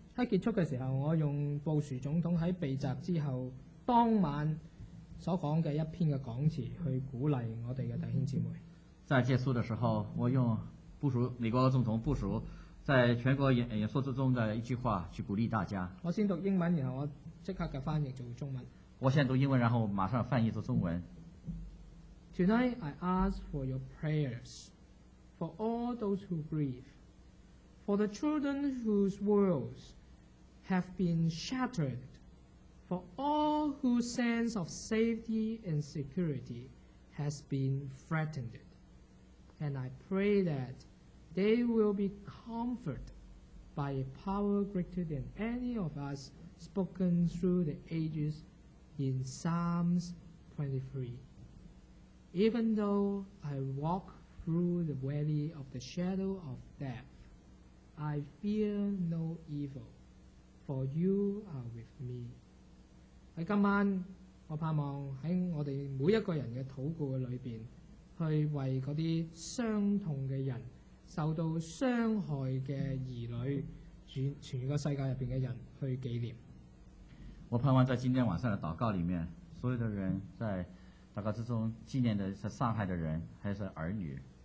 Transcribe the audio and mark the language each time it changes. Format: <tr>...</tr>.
<zh>在结束的时候，我用布殊总统在被袭之后当晚所讲的一篇的讲词去鼓励我们的弟兄姊妹。在结束的时候，我用布殊美国总统布殊在全国演说之中的一句话去鼓励大家。我先读英文，然后我即刻的翻译做中文。我先读英文，然后马上翻译做中文。</zh> <en>Tonight I ask for your prayers for all those who grieve. For the children whose worlds have been shattered, for all whose sense of safety and security has been threatened, and I pray that they will be comforted by a power greater than any of us spoken through the ages in Psalms 23. Even though I walk through the valley of the shadow of death,I fear no evil, for you are with me.</en> <zh>在今晚，我盼望在我们每一个人的祷告里面，去为那些伤痛的人、受到伤害的儿女、全个世界里面的人去纪念。我盼望在今天晚上的祷告里面，所有的人在祷告之中纪念的是伤害的人，还是儿女。</zh>